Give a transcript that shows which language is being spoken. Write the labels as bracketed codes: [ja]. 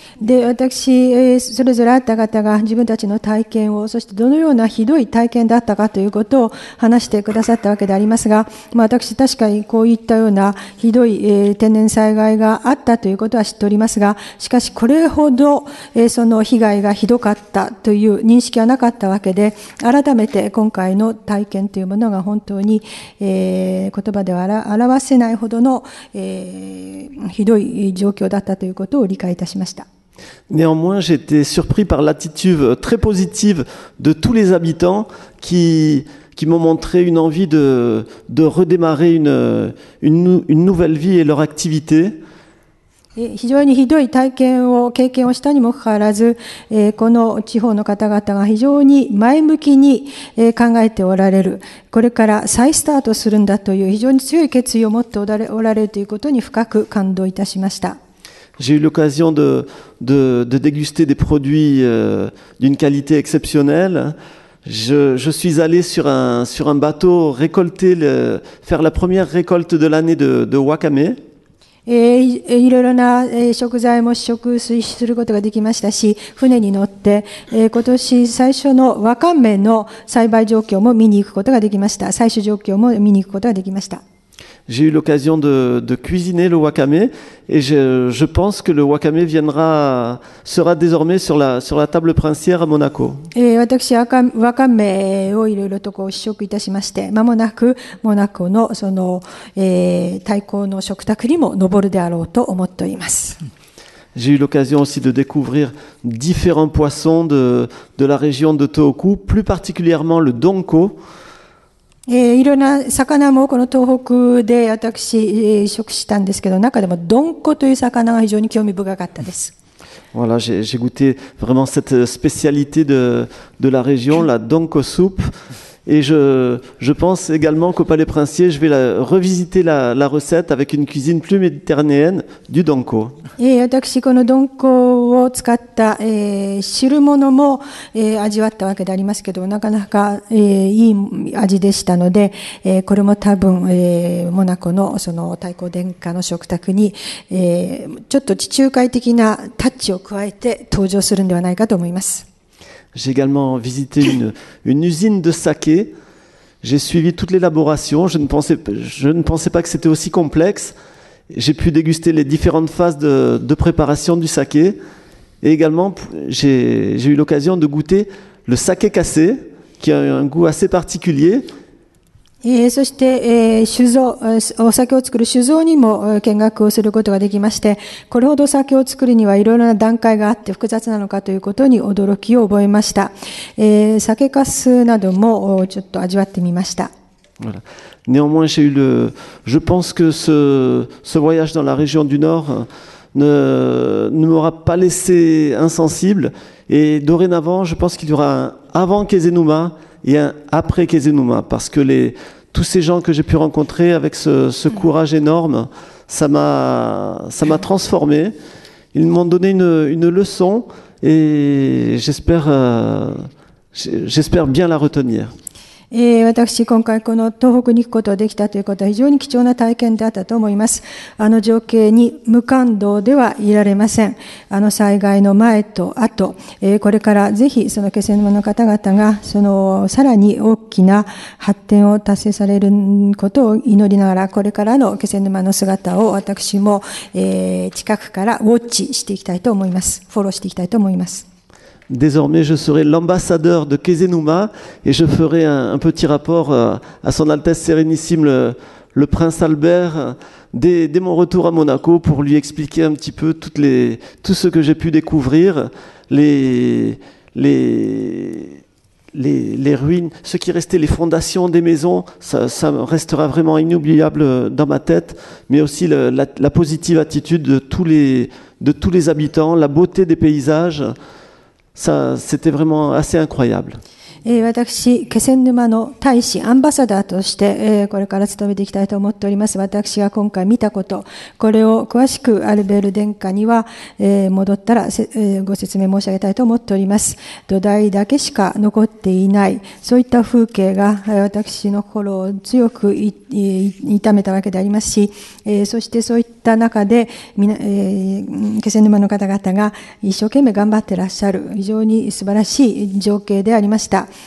[ja] で私それぞれ会った方が自分たちの体験をそしてどのようなひどい体験だったかということを話してくださったわけでありますが、まあ、私確かにこういったようなひどい、天然災害があったということは知っておりますが、しかしこれほど、その被害がひどかったという認識はなかったわけで、改めて今回の体験というものが本当に、言葉では表せないほどの、ひどい状況だったということを理解いたしました。 [fr] Néanmoins, j'ai été surpris par l'attitude très positive de tous les habitants qui m'ont montré une envie de redémarrer une nouvelle vie et leur activité. [ja] 非常にひどい体験を経験をしたにもかかわらず、この地方の方々が非常に前向きに考えておられる、これから再スタートするんだという非常に強い決意を持っておられるということに深く感動いたしました。 [fr] J'ai eu l'occasion de déguster des produits d'une qualité exceptionnelle. Je suis allé sur un bateau faire la première récolte de l'année de wakame. [ja] いろいろな食材も試食することができましたし、船に乗って今年最初のわかめの栽培状況も見に行くことができました。採取状況も見に行くことができました。 [fr] j'ai eu l'occasion de cuisiner le wakame et je pense que le wakame sera désormais sur la table princière à Monaco. Et moi, [ja] wakame をいろいろとこう試食いたしまして、まもなくモナコのその太鼓の食卓にも上るであろうと思っております。 [fr] J'ai eu l'occasion aussi de découvrir différents poissons de la région de Tohoku, plus particulièrement le donko. [ja] いろんな魚もこの東北で私食したんですけど、中でもドンコという魚が非常に興味深かったです。 [fr] Voilà, j'ai goûté vraiment cette spécialité de la région, la donko soup. Et je pense également qu'au Palais Princier, je vais revisiter la recette avec une cuisine plus méditerranéenne du donko. Et moi, ce [ja] donko を使った汁物も味わったわけでありますけど、なかなかいい味でしたので、これも多分モナコのその太鼓殿下の食卓にちょっと地中海的なタッチを加えて登場するのではないかと思います。 [fr] J'ai également visité une usine de saké. J'ai suivi toute l'élaboration. Je ne pensais pas que c'était aussi complexe. J'ai pu déguster les différentes phases de préparation du saké. Et également, j'ai eu l'occasion de goûter le saké cassé, qui a un goût assez particulier. [ja] そして酒造お酒を作る酒造にも見学をすることができまして、これほど酒を作るにはいろいろな段階があって複雑なのかということに驚きを覚えました。酒粕などもちょっと味わってみました。 [fr] Voilà. Néanmoins, j'ai eu le je pense que ce voyage dans la région du Nord ne m'aura pas laissé insensible, et dorénavant je pense qu'il y aura avant Kezenuma et après Kezenuma, parce que tous ces gens que j'ai pu rencontrer avec ce courage énorme, ça m'a transformé. Ils m'ont donné une leçon et j'espère bien la retenir. [ja] 私今回この東北に行くことができたということは非常に貴重な体験だったと思います。あの情景に無感動ではいられません。あの災害の前と後、これからぜひその気仙沼の方々がそのさらに大きな発展を達成されることを祈りながら、これからの気仙沼の姿を私も近くからウォッチしていきたいと思います。フォローしていきたいと思います。 [fr] Désormais, je serai l'ambassadeur de Kezenuma et je ferai un petit rapport à son Altesse Sérénissime le Prince Albert dès mon retour à Monaco pour lui expliquer un petit peu tout ce que j'ai pu découvrir, les ruines, ce qui restait, les fondations des maisons. Ça restera vraiment inoubliable dans ma tête, mais aussi la positive attitude de tous les habitants, la beauté des paysages. Ça, c'était vraiment assez incroyable. [ja] 私、気仙沼の大使、アンバサダーとしてこれから務めていきたいと思っております。私が今回見たこと、これを詳しくアルベール殿下には戻ったらご説明申し上げたいと思っております。土台だけしか残っていない、そういった風景が私の心を強く痛めたわけでありますし、そしてそういった中で気仙沼の方々が一生懸命頑張ってらっしゃる、非常に素晴らしい情景でありました。